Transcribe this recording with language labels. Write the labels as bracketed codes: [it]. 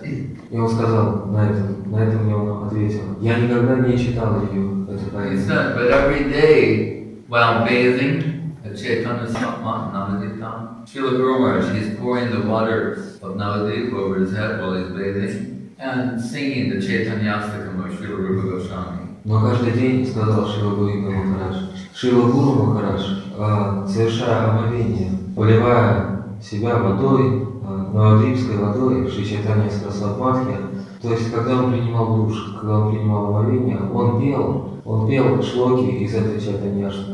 [ru] И он сказал на этом мне он ответил, я никогда не читал ее, эту поэму. [en] He said, but every day, while bathing, at Chaitanya Satmata Namaditam. Srila Guru Maharaj, he's pouring the waters of Navadvipa over his head while he's bathing and singing the Chaitanya Astakam of Srila Rupa Goswami. [ru] Но каждый день, сказал Шрила Гуру Махарадж, совершая омовение, поливая себя водой, навадвипской водой, Шри Чайтанья Сарасвати, то есть когда он принимал душ, когда он принимал омовение, он пел шлоки из этой Чайтанья